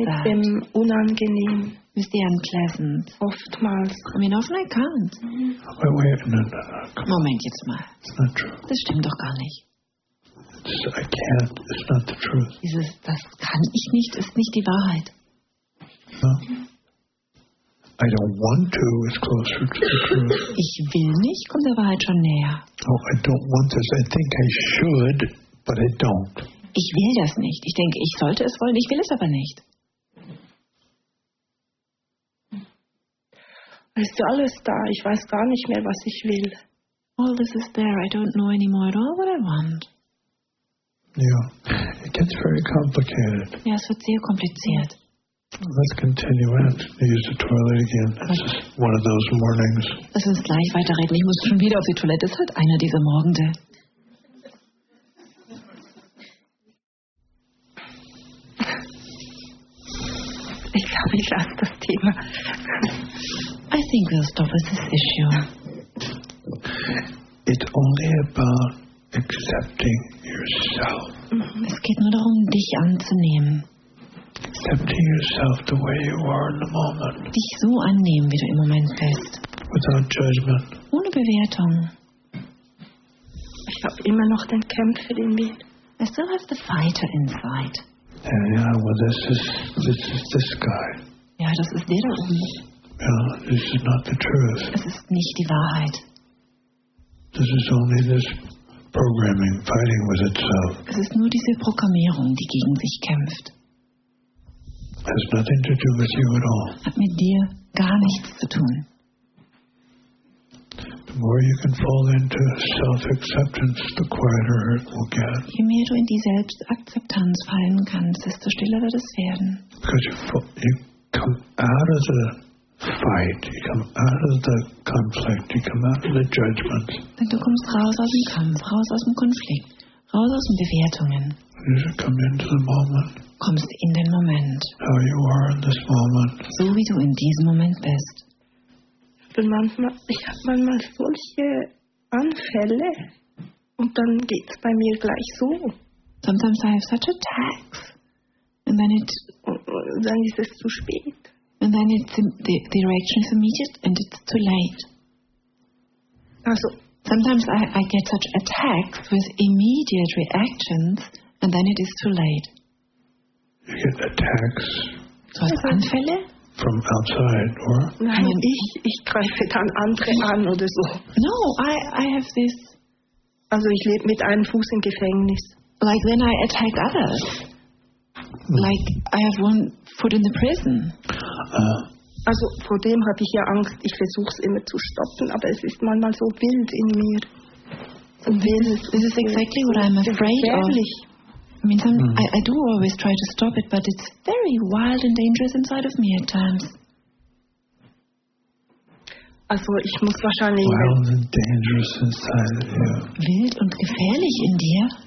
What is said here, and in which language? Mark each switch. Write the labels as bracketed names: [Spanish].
[German] that. Mit dem unangenehm. [English] With the unpleasant. [German] Oftmals. [English] I mean, often I can't. Wait, wait, no. [German] Moment jetzt mal. [English] It's not true. [German] Das stimmt doch gar nicht. [English] I can't. It's not the truth. [German] Dieses, das kann ich nicht, ist nicht die Wahrheit. [English] No. I don't want to is closer to the truth. [German] Ich will nicht, kommt der Wahrheit schon näher. [English] Oh, I don't want this. I think I should, but I don't. [German] Ich will das nicht. Ich denke, ich sollte es wollen, ich will es aber nicht. Es ist alles da. Ich weiß gar nicht mehr, was ich will. [English] All this is there. I don't know anymore at all what I want. Yeah. It gets very complicated. [German] Ja, es wird sehr kompliziert. [English] Let's continue. I have to use the toilet again. It's one of those mornings. [German] Lass uns gleich weiterreden. Ich muss schon wieder auf die Toilette. Es ist halt einer dieser Morgende. Ich glaube, ich lasse das Thema. [English] I think we'll stop with this issue. It's only about accepting yourself. [German] Es geht nur darum, dich anzunehmen. [English] Accepting yourself the way you are in the moment. [German] Dich so annehmen, wie du im Moment bist. [English] Without judgment. [German] Ohne Bewertung. Ich habe immer noch den Kämpfer in mir. [English] I still have the fighter inside. Yeah, this is this guy. [German] Ja, das ist der da oben. [English] Yeah, this is not the truth. [German] Es ist nicht die Wahrheit. [English] This is only this programming fighting with itself. [German] Es ist nur diese Programmierung, die gegen sich kämpft. [English] Has nothing to do with you at all. [German] Hat mit dir gar nichts zu tun. [English] The more you can fall into self-acceptance, the quieter it will get. [German] Je mehr du in die Selbstakzeptanz fallen kannst, desto stiller wird es werden. [English] Because you come out of the fight, you come out of the conflict, you come out of the judgment. [German] Denn du kommst raus aus dem Kampf, raus aus dem Konflikt, raus aus den Bewertungen. [English] You should come into the moment. [German] Kommst in den Moment. [English] How you are in this moment. [German] So wie du in diesem Moment bist. Ich habe manchmal solche Anfälle und dann geht es bei mir gleich so. [English] Sometimes I have such attacks and then [German] dann ist es zu spät. [English] And then the reaction is immediate and it's too late. [German] Also, [English] sometimes I get such attacks with immediate reactions and then it is too late. You get attacks. [German] So hast du Anfälle? [English] From outside, or? [German] Nein, ich greife dann andere an oder so. [English] No, I have this. [German] Also ich lebe mit einem Fuß im Gefängnis. [English] Like when I attack others. Like I have one foot in the prison. [German] Also vor dem habe ich ja Angst. Ich versuche es immer zu stoppen, aber es ist manchmal so wild in mir. [English] This is exactly what I'm afraid of. I mean, I do always try to stop it, but it's very wild and dangerous inside of me at times. [German] Also, ich muss wahrscheinlich [English] wild and dangerous inside of you. [German] Wild und gefährlich in dir.